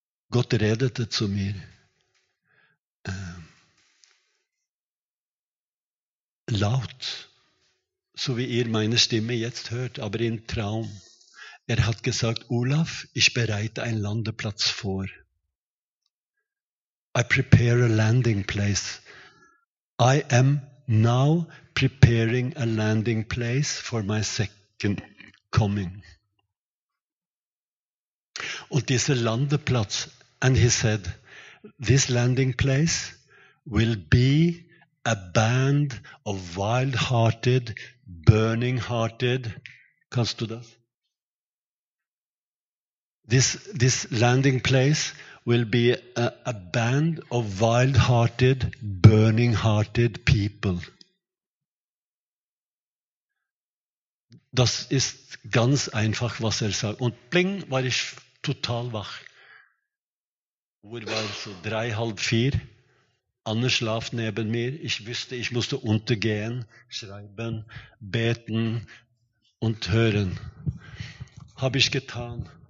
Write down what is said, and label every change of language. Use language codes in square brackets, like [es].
[de] Gott redete zu mir. Laut, so wie ihr meine Stimme jetzt hört, aber im Traum. Er hat gesagt, Olaf, ich bereite einen Landeplatz vor. [en] I prepare a landing place. I am now preparing a landing place for my second coming. [de] Und dieser Landeplatz, [en] and he said, this landing place will be a band of wild-hearted, burning-hearted. [de] Kannst du das? [en] This landing place will be a band of wild-hearted, burning-hearted people. [de] Das ist ganz einfach, was er sagt. Und bling, war ich total wach. Uhr war so 3:30, 4. Anne schlaf neben mir. Ich wüsste, ich musste untergehen, schreiben, beten und hören. Habe ich getan.